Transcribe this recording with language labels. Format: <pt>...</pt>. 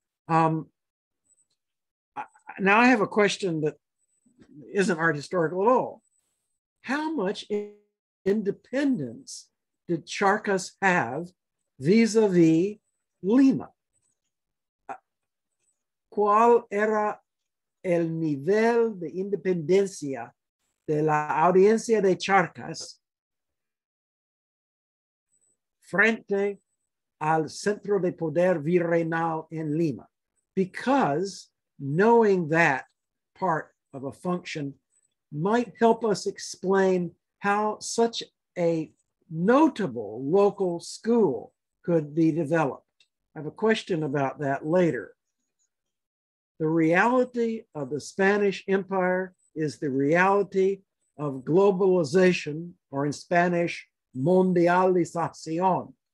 <en>Now I have a question that isn't art historical at all. How much independence did Charcas have vis-a-vis Lima?</en> <es>¿Cuál era el nivel de independencia de la Audiencia de Charcas frente al centro de poder virreinal en Lima?</es> <en>Because knowing that part of a function might help us explain how such a notable local school could be developed. I have a question about that later. The reality of the Spanish Empire is the reality of globalization, or in Spanish, mundialización.</en>